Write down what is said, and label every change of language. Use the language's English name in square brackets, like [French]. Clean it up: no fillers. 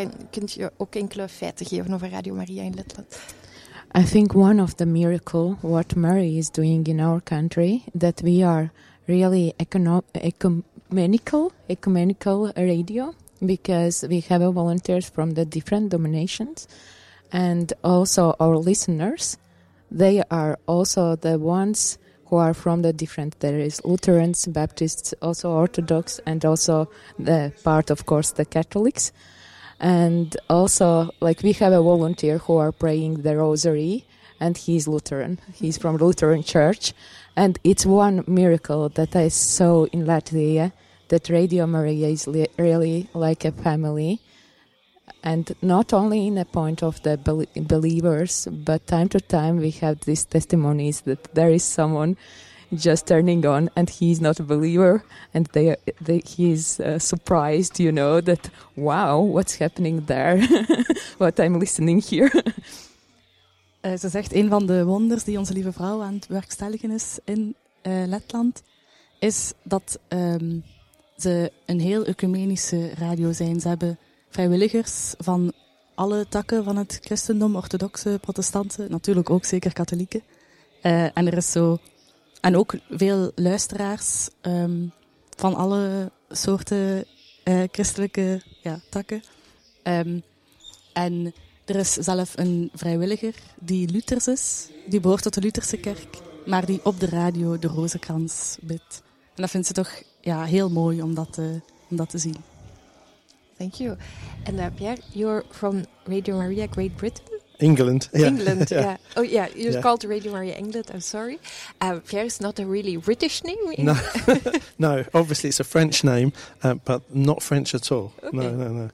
[Dutch] Kunt je ook enkele feiten geven over Radio Maria in Letland? [English] I think one of the miracles what Mary is doing in our country, that we are really ecumenical radio, because we have volunteers from the different denominations, and also our listeners, they are also the ones who are from the different, there is Lutherans, Baptists, also Orthodox, and also the part, of course, the Catholics. And also, like, we have a volunteer who are praying the rosary, and he's Lutheran. He's from Lutheran Church. And it's one miracle that I saw in Latvia, that Radio Maria is really like a family. And not only in the point of the believers, but time to time we have these testimonies that there is someone just turning on, and he's not a believer, and he's surprised, you know, that, wow, what's happening there? What I'm listening here. [Dutch] Ze zegt, een van de wonders die Onze Lieve Vrouw aan het werkstelligen is in Letland, is dat ze een heel ecumenische radio zijn. Ze hebben vrijwilligers van alle takken van het christendom, orthodoxe, protestanten, natuurlijk ook zeker katholieken. En er is zo... En ook veel luisteraars van alle soorten christelijke takken. En er is zelf een vrijwilliger die Luthers is. Die behoort tot de Lutherse kerk, maar die op de radio de rozenkrans bidt. En dat vindt ze toch heel mooi om dat te zien. [English] Thank you. And Pierre, you're from Radio Maria Great Britain. England. Yeah. Oh, yeah. You're called Radio Maria England. I'm sorry. Pierre is not a really British name. No. No. Obviously, it's a French name, but not French at all. Okay. No.